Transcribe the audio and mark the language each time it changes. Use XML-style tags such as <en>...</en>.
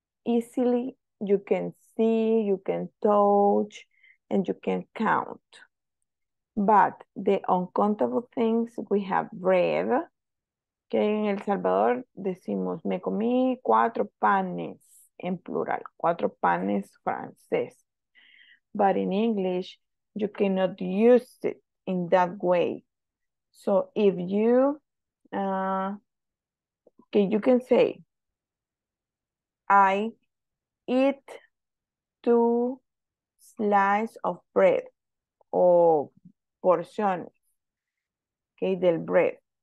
<en>Easily, you can see, you can touch, and you can count. But the uncountable things, we have bread.</en> <es>Okay, en El Salvador decimos, me comí cuatro panes, en plural, cuatro panes francés.</es> <en>But in English, you cannot use it in that way. So if you, okay, you can say, I eat two slices of bread or porciones, okay, del bread.</en>